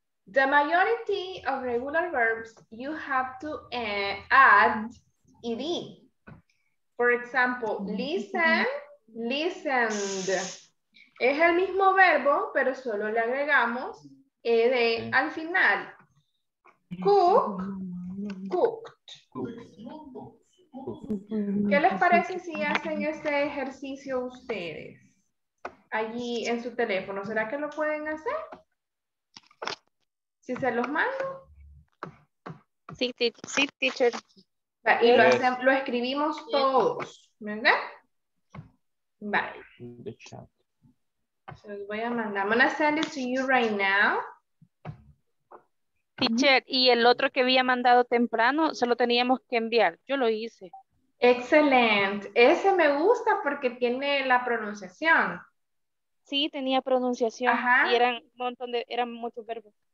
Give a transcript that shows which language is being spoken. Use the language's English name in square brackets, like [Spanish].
[English] The majority of regular verbs, you have to add ed. For example, listen, listened. [Spanish] Es el mismo verbo, pero solo le agregamos ed al final. [English] Cook, cooked. [Spanish] ¿Qué les parece si hacen este ejercicio ustedes? Allí en su teléfono, ¿será que lo pueden hacer? ¿Si se los mando? Sí, sí, teacher. Y lo, hacemos, lo escribimos todos, ¿verdad? Vale. Se los voy a mandar. [English] I'm gonna send it to you right now. [Spanish] Teacher, y el otro que había mandado temprano, se lo teníamos que enviar. Yo lo hice. Excelente. Ese me gusta porque tiene la pronunciación. Sí, tenía pronunciación. Ajá. Y eran un montón de, eran muchos verbos.